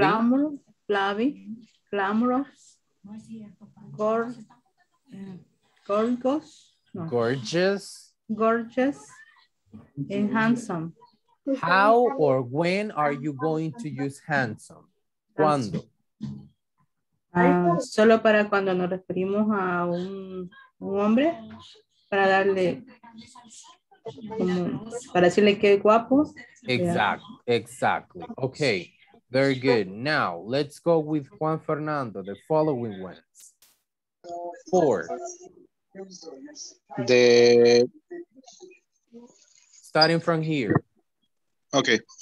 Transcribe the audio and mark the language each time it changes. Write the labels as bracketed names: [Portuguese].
[English] glamorous, flabby, glamorous, gorgeous, no. Gorgeous, gorgeous, and handsome. How or when are you going to use handsome? Cuando? [Spanish] solo para cuando nos referimos a un hombre, para darle, como, para decirle que es guapo. [English] Exactly. Okay, very good. Now, let's go with Juan Fernando, the following ones. Four. The... Starting from here. Okay.